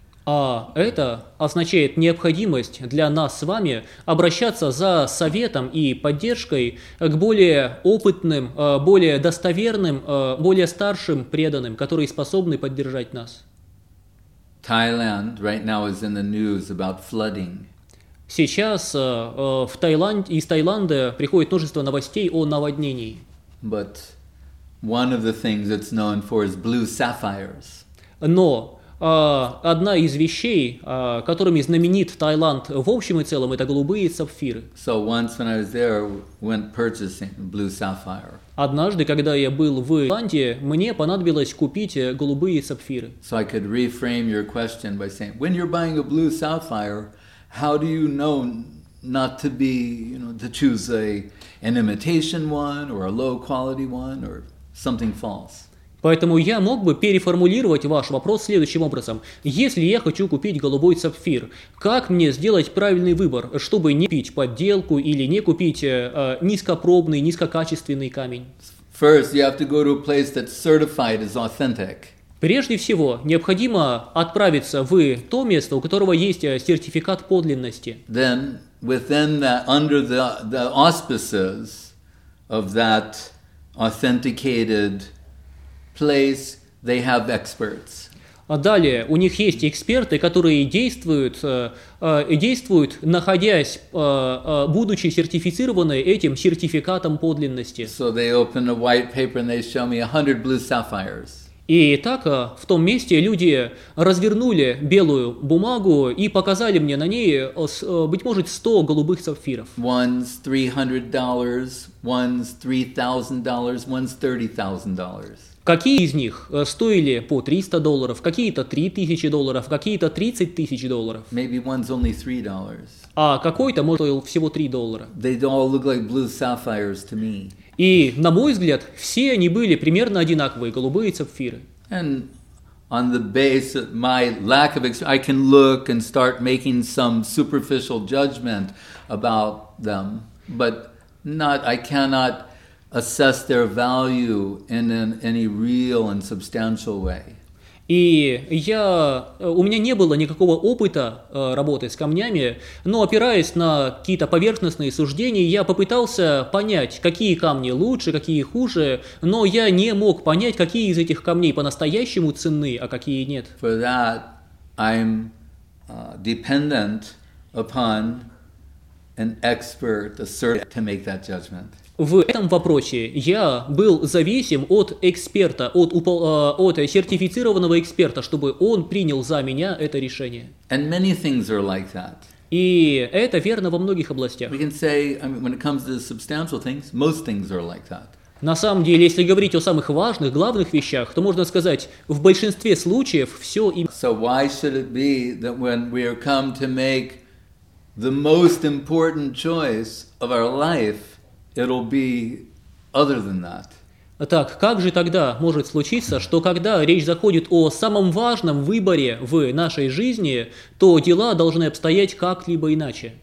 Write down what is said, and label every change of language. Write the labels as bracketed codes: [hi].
[ru] А это означает необходимость для нас с вами обращаться за советом и поддержкой к более опытным, более достоверным, более старшим преданным, которые способны поддержать нас. [en] Thailand right now is in the news about flooding. [ru] Сейчас в Таиланде из Таиланда приходит множество новостей о наводнении. [en] But one of the things it's known for is blue sapphires. [ru] Но одна из вещей, которыми знаменит Таиланд в общем и целом, это голубые сапфиры. [en] So once when I was there, went purchasing blue sapphire. [ru] Однажды, когда я был в Таиланде, мне понадобилось купить голубые сапфиры. [en] So I could reframe your question by saying, when you're buying a blue sapphire, how do you know not to be, you know, to choose an imitation one or a low quality one or something false? [ru] Поэтому я мог бы переформулировать ваш вопрос следующим образом. Если я хочу купить голубой сапфир, как мне сделать правильный выбор, чтобы не купить подделку или не купить низкопробный, низкокачественный камень? [en] First, you have to go to a place that's certified as authentic. [ru] Прежде всего, необходимо отправиться в то место, у которого есть сертификат подлинности. [en] Then, within that, under the auspices of that authenticated place, they have experts. [ru] Далее, у них есть эксперты, которые действуют, находясь, будучи сертифицированы этим сертификатом подлинности. [en] So they open a white paper and they show me 100 blue sapphires. [ru] И так в том месте люди развернули белую бумагу и показали мне на ней, быть может, 100 голубых сапфиров. [en] One's $300, one's $3,000, one's $30,000. [ru] Какие из них стоили по $300, какие-то $3,000, какие-то $30,000? [en] Maybe one's only $3. [ru] А какой-то, может, стоил всего $3. [en] They all look like blue sapphires to me. [ru] И, на мой взгляд, все они были примерно одинаковые, голубые сапфиры. [en] And on the base of my lack of experience, I can look and start making some superficial judgment about them, but not, I cannot assess their value in any real and substantial way. [ru] И я, у меня не было никакого опыта работы с камнями, но опираясь на какие-то поверхностные суждения, я попытался понять, какие камни лучше, какие хуже, но я не мог понять, какие из этих камней по-настоящему ценны, а какие нет. [en] For that, I'm dependent upon an expert, a certain, to make that judgment. [ru] В этом вопросе я был зависим от эксперта, от сертифицированного эксперта, чтобы он принял за меня это решение. [en] And many things are like that. [ru] И это верно во многих областях. [en] We can say, I mean, when it comes to substantial things, most things are like that. [ru] На самом деле, если говорить о самых важных, главных вещах, то можно сказать, в большинстве случаев все именно. [en] So why should it be that when we are come to make the most important choice of our life, it'll be other than that. [ru] Так, как же тогда может случиться, что когда речь заходит о самом важном выборе в нашей жизни, то дела должны обстоять как-либо иначе?